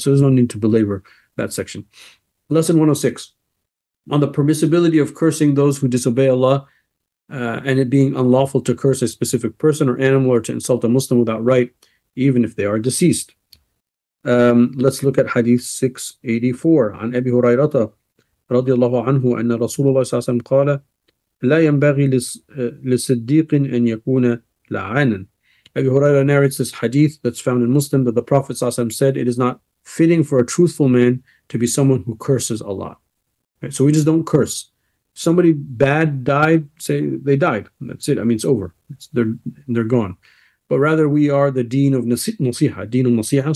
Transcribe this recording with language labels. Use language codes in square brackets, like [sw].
[en] So there's no need to belabor that section. Lesson 106. On the permissibility of cursing those who disobey Allah, and it being unlawful to curse a specific person or animal or to insult a Muslim without right, even if they are deceased. Let's look at Hadith 684. [ar] عن أبي هريرة رضي الله عنه أن رسول الله صلى الله عليه وسلم قال لا ينبغي لصديق أن يكون لعانا. [en] Abu Huraira narrates this Hadith that's found in Muslim that the Prophet [ar] صلى الله عليه وسلم [en] said, it is not fitting for a truthful man to be someone who curses Allah. So we just don't curse. Somebody bad died, say they died. That's it. I mean, it's over. They're gone. But rather, we are the deen of nasiha, deen of nasiha.